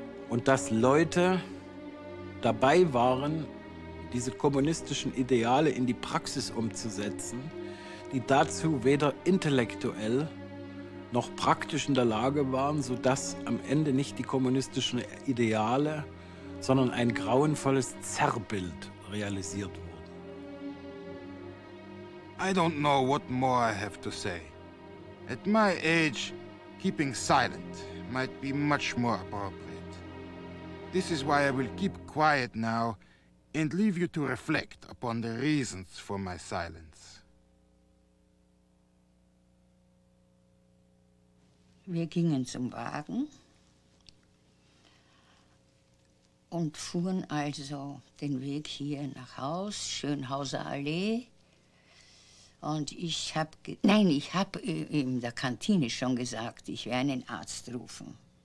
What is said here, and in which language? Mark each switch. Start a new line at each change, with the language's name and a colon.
German: und dass Leute dabei waren, diese kommunistischen Ideale in die Praxis umzusetzen, die dazu weder intellektuell noch praktisch in der Lage waren, sodass am Ende nicht die kommunistischen Ideale, sondern ein grauenvolles Zerrbild realisiert wurden.
English: I don't know what more I have to say. At my age, Keeping silent might be much more appropriate. This is why I will keep quiet now and leave you to reflect upon the reasons for my silence.
German: Wir gingen zum Wagen und fuhren also den Weg hier nach Haus, Schönhauser Allee. Und ich hab, ich hab in der Kantine schon gesagt, ich werde einen Arzt rufen.